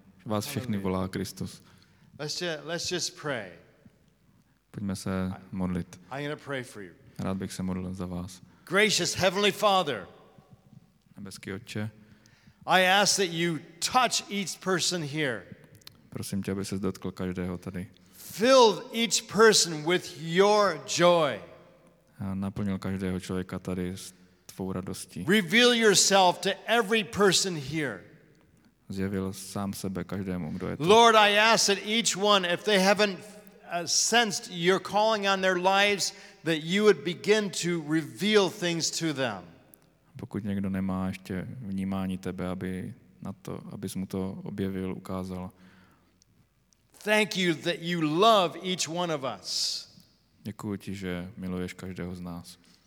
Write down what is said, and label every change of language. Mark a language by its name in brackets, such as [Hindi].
[Czech] Vás všechny volá Kristus. [English] Let's just pray. [Czech] Pojďme se modlit. [English] I'm going to pray for you. [Czech] Rád bych se modlil za vás. [English] Gracious Heavenly Father. [Czech] Nebeský Otče. [English] I ask that you touch each person here. [Czech] Prosím tě, aby ses dotkl každého tady. [English] Fill each person with your joy. [Czech] A naplnil každého člověka tady s tvou radostí. [English] Reveal yourself to every person here. [Czech] Zjevil sám sebe každému, kdo je tu. [English] Lord, I ask that each one, if they haven't sensed your calling on their lives, that you would begin to reveal things to them. [Czech] Pokud někdo nemá ještě vnímání tebe, aby na to, abys mu to objevil, ukázal. [English] Thank you that you love each one of us. [Czech] Děkuji ti, že miluješ každého z nás.